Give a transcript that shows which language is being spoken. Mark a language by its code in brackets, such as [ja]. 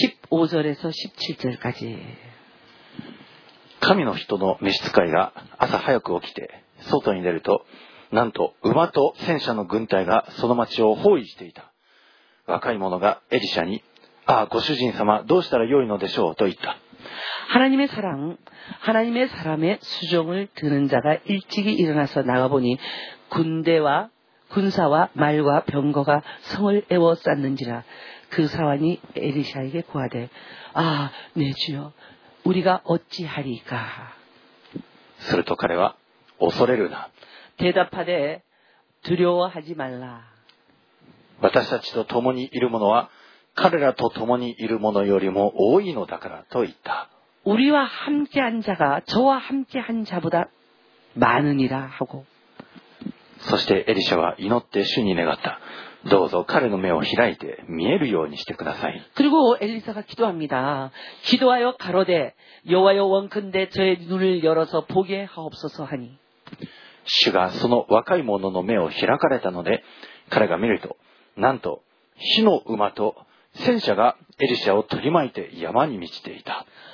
[ko] 5절에서17절까지 [ja] 神の人の召使いが朝早く起きて外に出るとなんと馬と戦車の軍隊がその町を包囲していた。若い者がエリシャに、ああご主人様どうしたらよいのでしょうと言った。 [ko] 하나님의 사람의 수종을드는자가일찍이일어나서나가보니군대와군사와말과병거가성을에워쌓는지라그사환이에리샤에게구하되아내주여우리가어찌하리까 [ja] すると彼は恐れるな [ko] 대답하되두려워하지말라 [ja] 私たちと共にいる者は彼らと共にいる者よりも多いのだからと言った。 [ko] 우리와함께한자가저와함께한자보다많으니라하고 [ja] そしてエリシャは祈って主に願った。どうぞ彼の目を開いて見えるようにしてください。 [ko] 그리고エリサが기도합니다。 기도하여가로되여호와여원근대저의눈을열어서보게하옵소서하니。 [ja] 主がその若い者の目を開かれたので、彼が見ると、なんと火の馬と戦車がエリサを取り巻いて山に満ちていた。